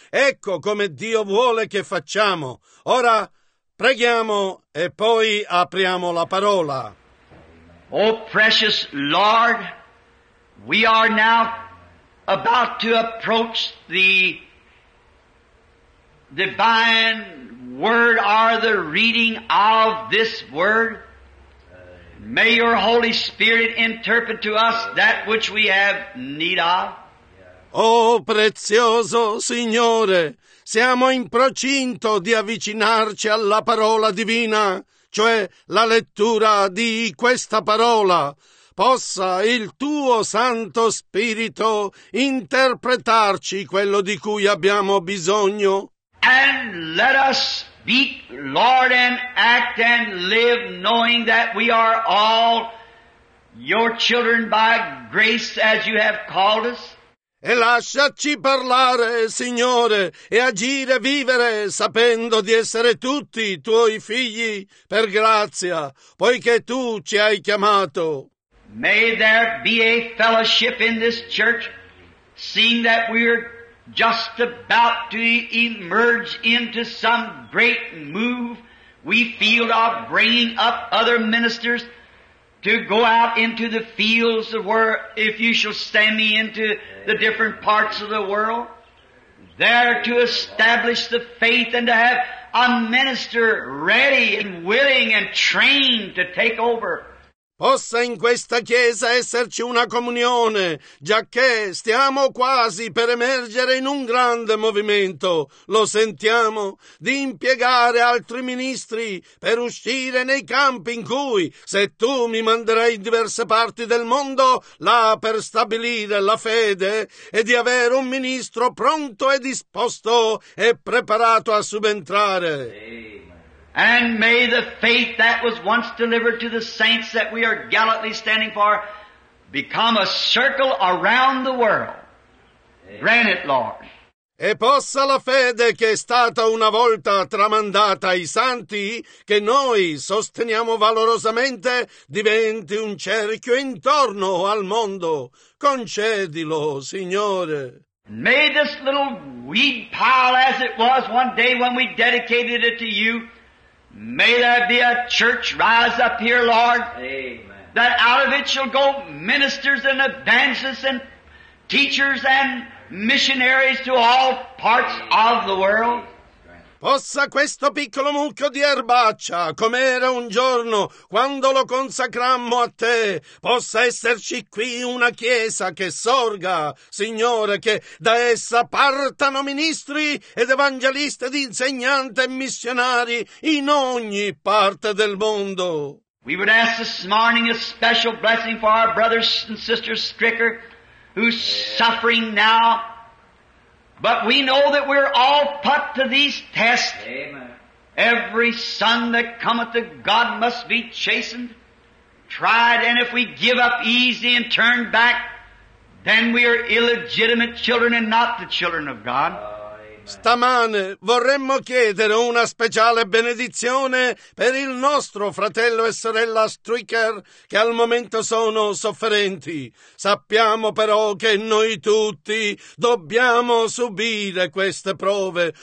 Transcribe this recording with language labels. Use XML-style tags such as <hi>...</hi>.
<it>Ecco come Dio vuole che facciamo. Ora preghiamo e poi apriamo la parola.</it> <en>Oh, precious Lord, we are now about to approach the divine Word, are the reading of this Word. May your Holy Spirit interpret to us that which we have need of.</en> <it>Oh, prezioso Signore, siamo in procinto di avvicinarci alla parola divina, cioè la lettura di questa parola. Possa il Tuo Santo Spirito interpretarci quello di cui abbiamo bisogno.</it> <en>And let us speak, Lord, and act and live, knowing that we are all Your children by grace, as You have called us.</en> <it>E lasciaci parlare, Signore, e agire, vivere, sapendo di essere tutti Tuoi figli per grazia, poiché Tu ci hai chiamato.</it> <en>May there be a fellowship in this church, seeing that we are just about to emerge into some great move we feel of bringing up other ministers to go out into the fields of where, if you shall send me into the different parts of the world, there to establish the faith and to have a minister ready and willing and trained to take over.</en> <it>Possa in questa chiesa esserci una comunione, giacché stiamo quasi per emergere in un grande movimento, lo sentiamo, di impiegare altri ministri per uscire nei campi in cui, se tu mi manderai in diverse parti del mondo, là per stabilire la fede, e di avere un ministro pronto e disposto e preparato a subentrare.</it> <en>And may the faith that was once delivered to the saints that we are gallantly standing for become a circle around the world. Grant it, Lord.</en> <it>E possa la fede che è stata una volta tramandata ai santi, che noi sosteniamo valorosamente, diventi un cerchio intorno al mondo. Concedilo, Signore.</it> <en>May this little weed pile, as it was one day when we dedicated it to you, may there be a church rise up here, Lord, amen, that out of it shall go ministers and evangelists and teachers and missionaries to all parts, amen, of the world.</en> <it>Possa questo piccolo mucchio di erbaccia, come era un giorno quando lo consacrammo a te, possa esserci qui una chiesa che sorga, Signore, che da essa partano ministri ed evangelisti ed insegnanti e missionari in ogni parte del mondo.</it> <en>We would ask this morning a special blessing for our brothers and sisters Stricker, who's suffering now. But we know that we're all put to these tests. Amen. Every son that cometh to God must be chastened, tried, and if we give up easy and turn back, then we are illegitimate children and not the children of God.</en> <it>Stamane vorremmo chiedere una speciale benedizione per il nostro fratello e sorella Stricker che al momento sono sofferenti. Sappiamo però che noi tutti dobbiamo subire queste prove.</it>